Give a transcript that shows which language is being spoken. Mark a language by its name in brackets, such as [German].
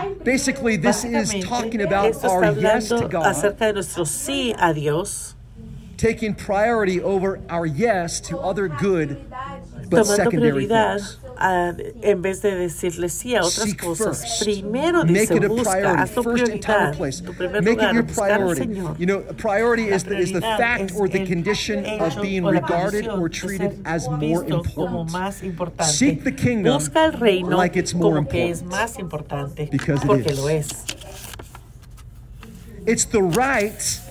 [English] Basically, this is talking about our yes to God. Taking priority over our yes to other good [Spanish] tomando prioridad en vez de decirle sí a otras cosas. Primero dice, busca, haz tu prioridad, tu primer lugar, buscar al Señor. [English] You know, a priority is the fact or the condition of being regarded or treated as more important. Seek the kingdom like it's more important. Because it is. It's the right.